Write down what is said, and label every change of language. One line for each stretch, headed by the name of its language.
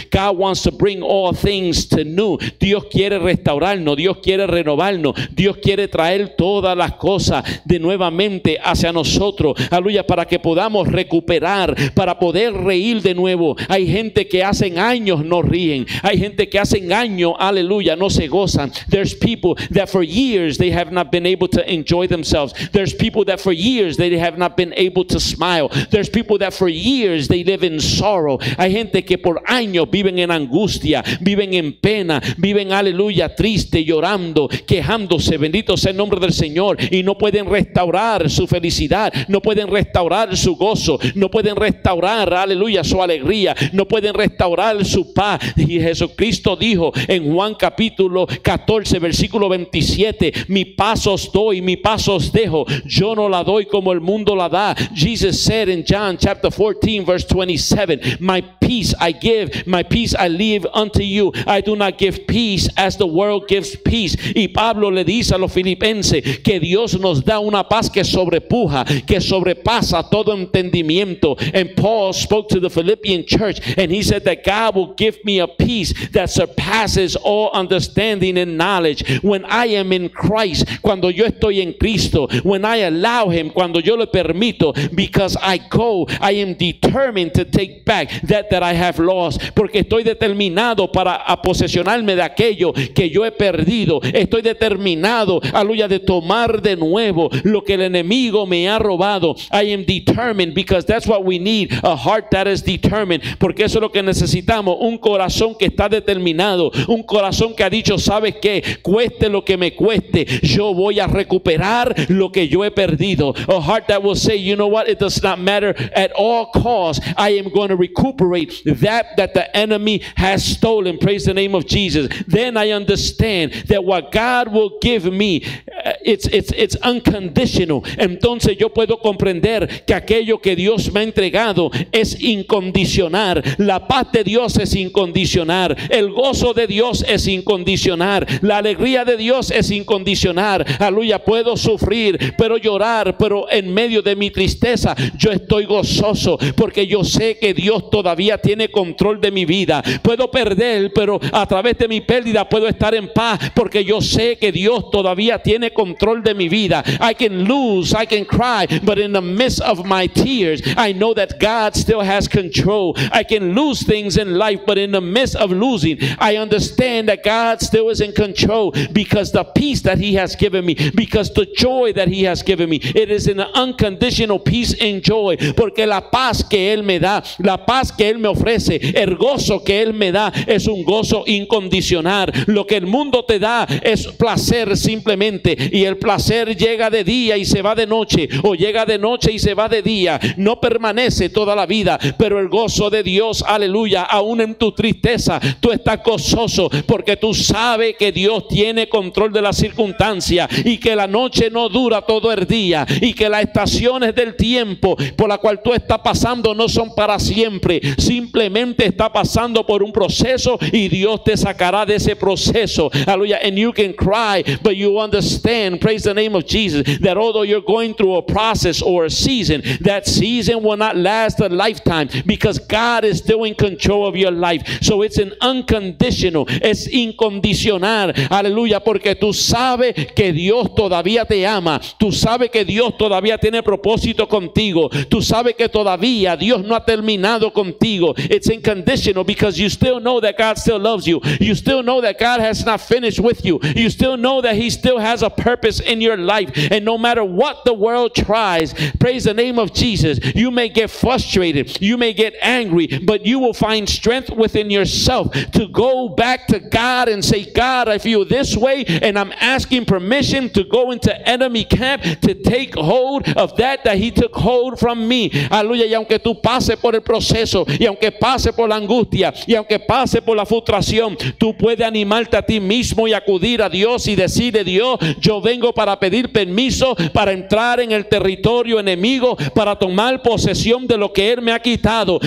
English: God wants to bring all things to new.
Spanish: Dios quiere restaurarnos. Dios quiere renovarnos. Dios quiere traer todas las cosas de nuevamente hacia nosotros. Aleluya, para que podamos recuperar, para poder reír de nuevo. Hay gente que hacen años no ríen. Hay gente que hacen años, aleluya, no se gozan.
English: There's people that for years they have not been able to enjoy themselves. There's people that for years they have not been able to smile. There's people that for years they live in sorrow.
Spanish: Hay gente que por años viven en angustia, viven en pena, viven, aleluya, triste, llorando, quejándose. Bendito sea el nombre del Señor. Y no pueden restaurar su felicidad. No pueden restaurar su gozo. No pueden restaurar, aleluya, su alegría. No pueden restaurar su paz. Y Jesucristo dijo en Juan capítulo 14, versículo 27, mi paz os doy, mi paz os dejo. Yo no la doy como el mundo la da.
English: Jesus said in John chapter 14, verse 27, my peace peace I give, my peace I leave unto you. I do not give peace as the world gives peace.
Spanish: Y Pablo le dice a los filipenses que Dios nos da una paz que sobrepuja, que sobrepasa todo entendimiento.
English: And Paul spoke to the Philippian church and he said that God will give me a peace that surpasses all understanding and knowledge. When I am in Christ,
Spanish: cuando yo estoy en Cristo,
English: when I allow him,
Spanish: cuando yo le permito,
English: because I go, I am determined to take back that I have lost.
Spanish: Porque estoy determinado para posesionarme de aquello que yo he perdido. Estoy determinado, aleluya, de tomar de nuevo lo que el enemigo me ha robado.
English: I am determined, because that's what we need, a heart that is determined.
Spanish: Porque eso es lo que necesitamos, un corazón que está determinado, un corazón que ha dicho, ¿sabes qué? Cueste lo que me cueste, yo voy a recuperar lo que yo he perdido.
English: A heart that will say, you know what, it does not matter, at all costs, I am going to recuperate that the enemy has stolen. Praise the name of Jesus. Then I understand that what God will give me, it's unconditional.
Spanish: Entonces yo puedo comprender que aquello que Dios me ha entregado es incondicional. La paz de Dios es incondicional. El gozo de Dios es incondicional. La alegría de Dios es incondicional. Aleluya, puedo sufrir, puedo llorar, pero en medio de mi tristeza yo estoy gozoso, porque yo sé que Dios todavía tiene control de mi vida. Puedo perder, pero a través de mi pérdida puedo estar en paz, porque yo sé que Dios todavía tiene control de mi vida.
English: I can lose, I can cry, but in the midst of my tears, I know that God still has control. I can lose things in life, but in the midst of losing, I understand that God still is in control, because the peace that he has given me, because the joy that he has given me, it is an unconditional peace and joy.
Spanish: Porque la paz que él me da, la paz que él me ofrece, el gozo que él me da, es un gozo incondicional. Lo que el mundo te da es placer simplemente, y el placer llega de día y se va de noche, o llega de noche y se va de día, no permanece toda la vida. Pero el gozo de Dios, aleluya, aún en tu tristeza tú estás gozoso, porque tú sabes que Dios tiene control de la circunstancia, y que la noche no dura todo el día, y que las estaciones del tiempo por la cual tú estás pasando no son para siempre. Simplemente está pasando por un proceso, y Dios te sacará de ese proceso. Aleluya.
English: And you can cry, but you understand, praise the name of Jesus, that although you're going through a process or a season, that season will not last a lifetime, because God is still in control of your life. So it's an unconditional,
Spanish: es incondicional. Aleluya. Porque tú sabes que Dios todavía te ama, tú sabes que Dios todavía tiene propósito contigo, tú sabes que todavía Dios no ha terminado contigo.
English: It's unconditional, because you still know that God still loves you. You still know that God has not finished with you. You still know that he still has a purpose in your life. And no matter what the world tries, praise the name of Jesus, you may get frustrated, you may get angry, but you will find strength within yourself to go back to God and say, God, I feel this way, and I'm asking permission to go into enemy camp to take hold of that he took hold from me.
Spanish: Aleluya. Y aunque tú pases por el proceso, y aunque pase por la angustia, y aunque pase por la frustración, tú puedes animarte a ti mismo y acudir a Dios y decirle, Dios, yo vengo para pedir permiso para entrar en el territorio enemigo, para tomar posesión de lo que él me ha quitado.